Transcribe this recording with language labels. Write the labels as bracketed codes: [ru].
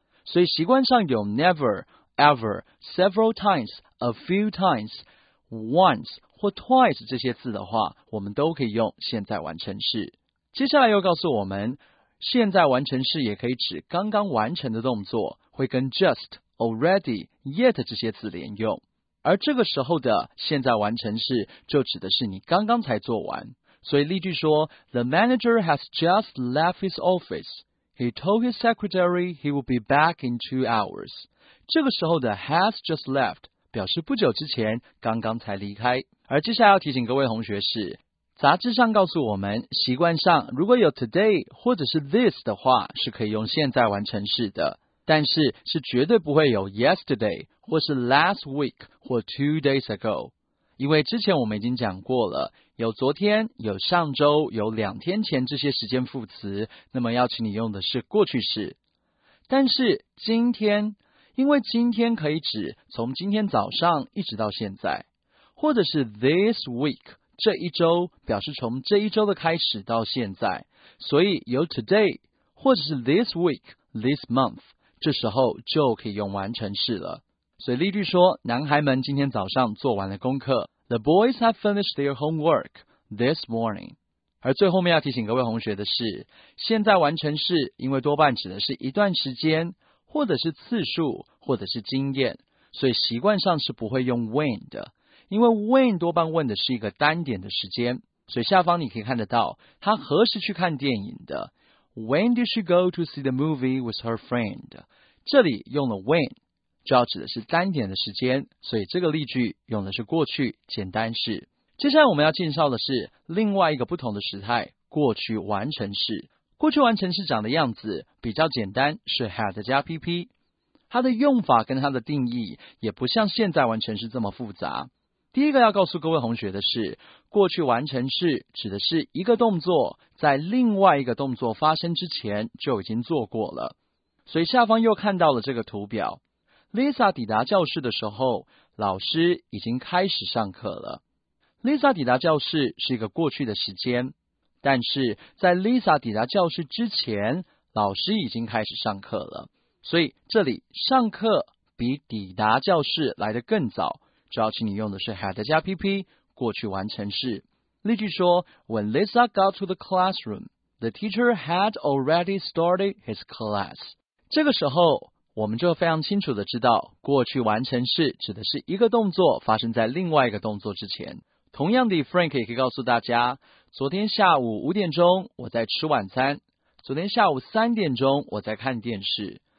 [zh] 所以习惯上有 [en] never, ever, several times, a few times, once 或 twice [zh] 这些字的话，我们都可以用现在完成式。接下来又告诉我们，现在完成式也可以指刚刚完成的动作，会跟 [en] just, already, yet [zh] 这些字连用。而这个时候的现在完成式就指的是你刚刚才做完。所以例句说 [en] ,The manager has just left his office. He told his secretary he will be back in 2 hours. [zh] 这个时候的 [en] has just left [zh] 表示不久之前刚刚才离开。而接下来要提醒各位同学是，杂志上告诉我们，习惯上如果有 today 或者是 this 的话是可以用现在完成式的，但是是绝对不会有 yesterday 或是 [en] last week [zh] 或 [en] 2 days ago。 [zh] 因为之前我们已经讲过了，有昨天，有上周，有两天前这些时间副词，那么要请你用的是过去式。但是今天，因为今天可以指从今天早上一直到现在，或者是 this week 这一周，表示从这一周的开始到现在，所以由 today 或者是 [en] this week this month [zh] 这时候就可以用完成式了。所以例句说，男孩们今天早上做完了功课。 [en] The boys have finished their homework this morning. [zh] 而最后面要提醒各位同学的是，现在完成式因为多半指的是一段时间，或者是次数，或者是经验，所以习惯上是不会用 when 的，因为 when 多半问的是一个单点的时间，所以下方你可以看得到他何时去看电影的。 [en] When did she go to see the movie with her friend? [zh] 这里用了 when。就要指的是单点的时间，所以这个例句用的是过去简单式。接下来我们要介绍的是另外一个不同的时态，过去完成式。过去完成式长的样子比较简单，是 had 加 PP， 它的用法跟它的定义也不像现在完成式这么复杂。第一个要告诉各位同学的是，过去完成式指的是一个动作在另外一个动作发生之前就已经做过了。所以下方又看到了这个图表，Lisa 抵达教室的时候，老师已经开始上课了。 Lisa 抵达教室是一个过去的时间，但是在 Lisa 抵达教室之前，老师已经开始上课了。所以这里上课比抵达教室来得更早，主要请你用的是 had 加 PP 过去完成式。例句说 [en] ，When Lisa got to the classroom, the teacher had already started his class。 [zh] 这个时候，我们就非常清楚的知道，过去完成式指的是一个动作发生在另外一个动作之前。同样的 ，Frank 也可以告诉大家，昨天下午5点钟我在吃晚餐，昨天下午3点钟我在看电视。